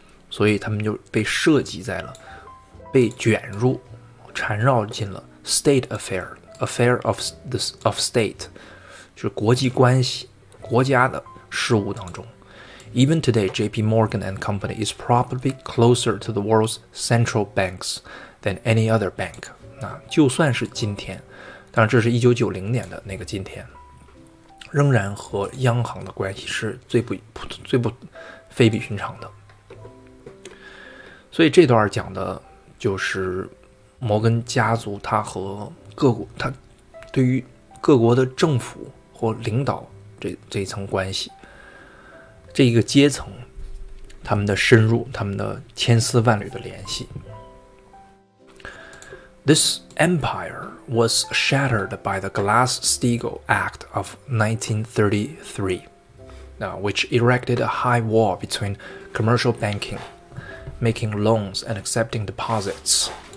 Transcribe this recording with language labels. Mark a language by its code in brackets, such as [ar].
[zh] 所以他们就被涉及在了被卷入缠绕进了 [en] state affair of state [zh] 就是国际关系国家的事务当中。 [en] Even today, JP Morgan and Company is probably closer to the world's central banks than any other bank. [zh] 那就算是今天，当然这是1990年的那个今天，仍然和央行的关系是最不非比寻常的。所以这段讲的就是摩根家族他和各国他对于各国的政府或领导 这一层关系这一个阶层他们的深入他们的千丝万缕的联系。 [en] This empire was shattered by the Glass-Steagall Act of 1933, which erected a high wall between commercial bankingMaking loans and accepting deposits,